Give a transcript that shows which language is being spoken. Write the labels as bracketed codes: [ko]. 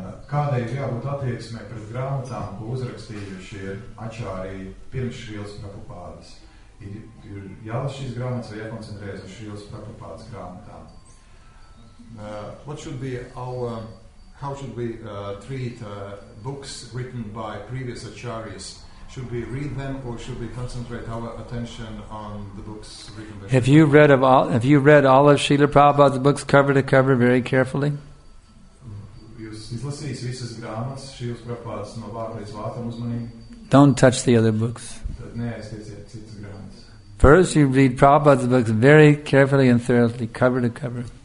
[lv] Kāda ir jābūt attieksmē pret grāmatām, ko uzrakstījuši ir Ačārī pirms Šrīlas Prabhupādas? Ir jālas šīs grāmatas vai jākoncentrējas uz Šrīlas Prabhupādas grāmatām. [en] What should be our, how should we treat books written by previous acharyas? Should we read them or should we concentrate our attention on the books written by Have you read of all? Have you read all of Srila Prabhupada's books cover to cover very carefully? [lv] Jūs izlasījis visas grāmatas Šrīlas Prabhupādas no vārda līdz vārtam uzmanīgi? [en] Don't touch the other books. [lv] Tad neaiztieciet citas grāmatas. [en] First, you read Prabhupada's books very carefully and thoroughly, cover to cover.